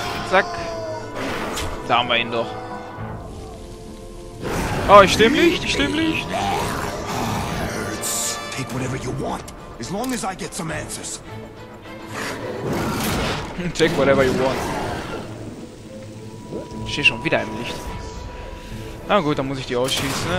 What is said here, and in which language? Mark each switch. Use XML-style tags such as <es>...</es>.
<de>Zack. Da haben wir ihn doch. Oh, ich stimme nicht, ich stimme nicht.</de> <en>Take whatever you want, as long as I get some answers. Take whatever you want.</en> <de>Ich stehe schon wieder im Licht. Na gut, dann muss ich die ausschießen.</de>